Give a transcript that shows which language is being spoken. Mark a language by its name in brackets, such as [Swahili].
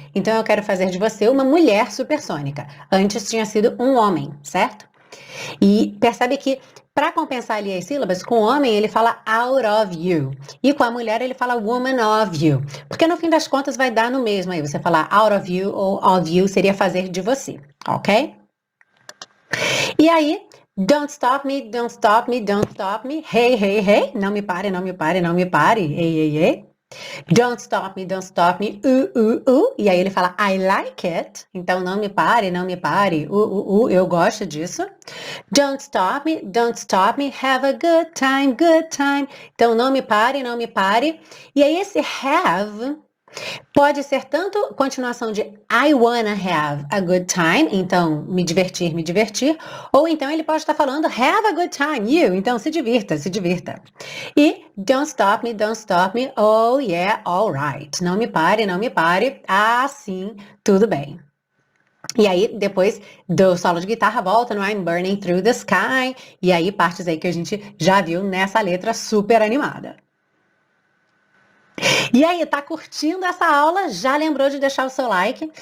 [Portuguese] Então eu quero fazer de você uma mulher supersônica. Antes tinha sido um homem, certo? E percebe que para compensar ali as sílabas, com o homem ele fala [English] out of you. [Portuguese] E com a mulher ele fala [English] woman of you. [Portuguese] Porque no fim das contas vai dar no mesmo aí. Você falar out of you ou of you seria fazer de você, ok? E aí. [English] Don't stop me, don't stop me, don't stop me. Hey, hey, hey. [Portuguese] Não me pare, não me pare, não me pare. Hey, hey, hey. [English] Don't stop me, don't stop me. [Portuguese] E aí ele fala, [English] I like it. [Portuguese] Então não me pare, não me pare. Eu gosto disso. [English] Don't stop me, don't stop me. Have a good time, good time. [Portuguese] Então não me pare, não me pare. E aí esse have. Pode ser tanto continuação de [English] I wanna have a good time, [Portuguese] então me divertir, ou então ele pode estar falando [English] have a good time, you, [Portuguese] então se divirta, se divirta. [English] E don't stop me, oh yeah, all right. [Portuguese] Não me pare, não me pare. Ah, sim, tudo bem. E aí depois do solo de guitarra volta no [English] I'm burning through the sky, [Portuguese] e aí partes aí que a gente já viu nessa letra super animada. E aí, tá curtindo essa aula? Já lembrou de deixar o seu like?